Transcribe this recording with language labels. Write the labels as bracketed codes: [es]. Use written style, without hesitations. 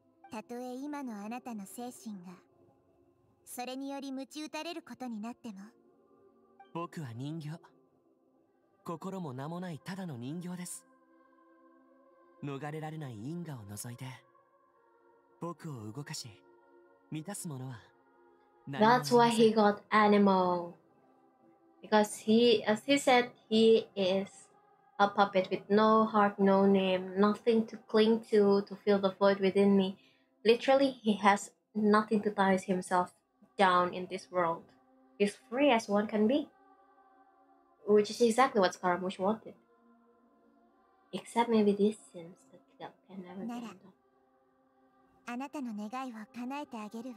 [ja] たとえ今のあなたの精神がそれにより鞭打たれることになっても、僕は人形、心も名もないただの人形です。逃れられない因果を除いて僕を動かし満たすものは何も。 [en] That's why he got animal, because as he said, he isA puppet with no heart, no name, nothing to cling to fill the void within me. Literally, he has nothing to tie himself down in this world. He's free as one can be. Which is exactly what Scaramouche wanted. Except maybe this sins that can never be done. [ja] あなたの願いを叶えてあげるわ。